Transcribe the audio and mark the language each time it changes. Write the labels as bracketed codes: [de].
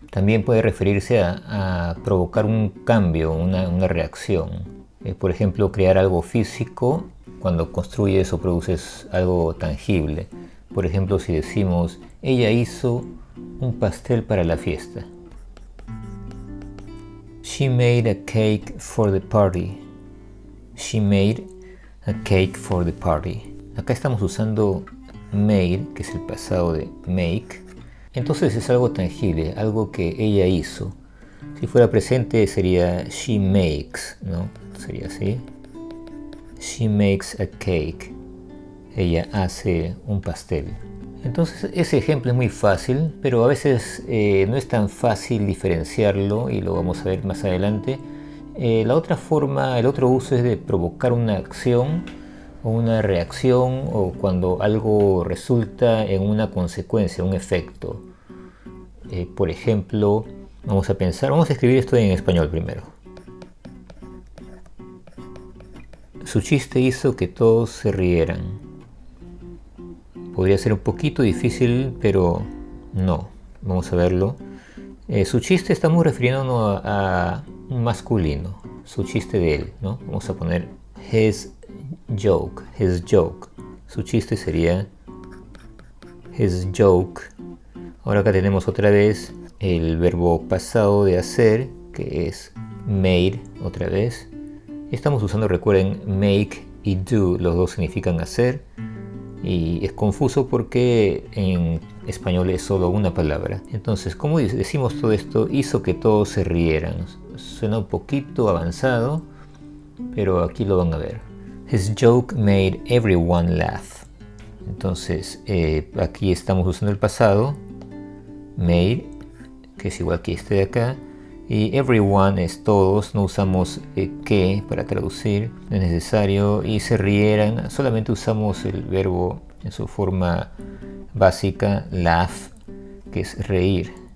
[es] También puede referirse a provocar un cambio, una reacción. Por ejemplo, crear algo físico cuando construyes o produces algo tangible. Por ejemplo, si decimos, ella hizo un pastel para la fiesta. [en] She made a cake for the party. She made a cake for the party. [es] Acá estamos usando made, que es el pasado de make. Entonces es algo tangible, algo que ella hizo. Si fuera presente sería [en] she makes, [es] ¿no? Sería así. [en] She makes a cake. [es] Ella hace un pastel. Entonces ese ejemplo es muy fácil, pero a veces no es tan fácil diferenciarlo y lo vamos a ver más adelante. La otra forma, el otro uso es de provocar una acción o una reacción o cuando algo resulta en una consecuencia, un efecto. Por ejemplo, vamos a pensar, vamos a escribir esto en español primero. Su chiste hizo que todos se rieran. Podría ser un poquito difícil, pero no. Vamos a verlo. Su chiste, estamos refiriéndonos a un masculino. Su chiste de él, ¿no? Vamos a poner [en] his joke. His joke. [es] Su chiste sería [en] his joke. [es] Ahora acá tenemos otra vez el verbo pasado de hacer, que es made, otra vez. Estamos usando, recuerden, make y do. Los dos significan hacer. Y es confuso porque en español es solo una palabra. Entonces, ¿cómo decimos todo esto? Hizo que todos se rieran. Suena un poquito avanzado, pero aquí lo van a ver. [en] His joke made everyone laugh. [es] Entonces, aquí estamos usando el pasado. Made, que es igual que este de acá. Y everyone es todos, no usamos que para traducir, no es necesario. Y se rieran, solamente usamos el verbo en su forma básica, laugh, que es reír.